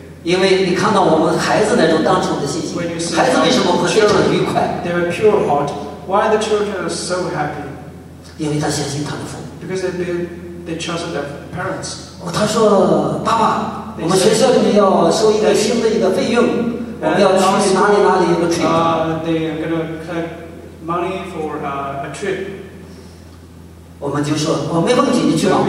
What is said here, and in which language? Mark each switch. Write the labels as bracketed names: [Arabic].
[Chinese] 因为你看到我们孩子那种单纯的信心， 孩子为什么会这么愉快？ [English] They are pure heart. Why the children are so happy? [Chinese] 因为他相信他的父母。 [English] Because they trust their parents. [Chinese] 他说：“爸爸，我们学校里面要收一个新的一个费用， 我们要去哪里哪里一个 trip。” [English] They are going to collect money for a trip. [Chinese] 我们就说：“我没问题，你去玩吧。”